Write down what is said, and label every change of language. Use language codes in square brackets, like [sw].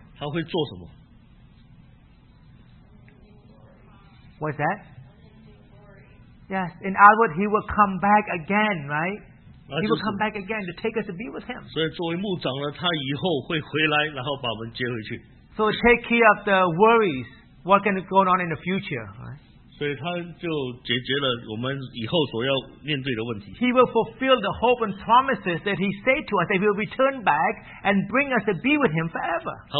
[zh] 他会做什么？ [en] What's that? Yes, in other words, he will come back again, right? He will come back again to take us to be with him. [zh] 所以作为牧长呢，他以后会回来，然后把我们接回去。 [en] So take care of the worries, what's going to go on in the future, right? [zh] 所以他就解决了我们以后所要面对的问题。 [en] He will fulfill the hope and promises that he said to us that he will return back and bring us to be with him forever.